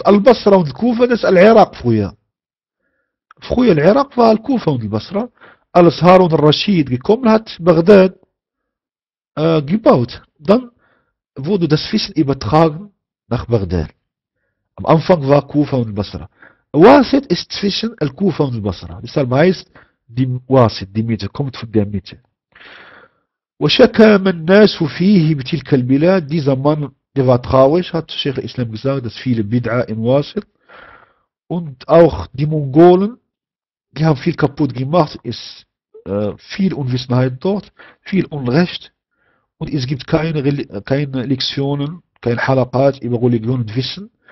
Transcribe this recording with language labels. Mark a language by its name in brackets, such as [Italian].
[German] Und Al-Basra und Al-Kufa, das ist Al-Irak früher. Früher Al-Irak war Al-Kufa und Al-Basra, als Harun al-Rashid gekommen hat, Bagdad gebaut. Dann wurde das Wissen übertragen nach Bagdad. Am Anfang war Kufa und Al-Basra. Waset ist zwischen Al-Kufa und Al-Basra. Deshalb heißt die Waset, die Mitte, kommt von der Mitte. [Arabic] وشكى من الناس فيه بتلك البلاد. [German] Dieser Mann, der war traurig, hat Sheikh Islam gesagt, dass viele Bid'a in Wasit. Und auch die Mongolen, die haben viel kaputt gemacht, ist viel Unwissenheit dort, viel Unrecht. Und es gibt keine Lektionen, kein Halaqat über Religion und Wissen.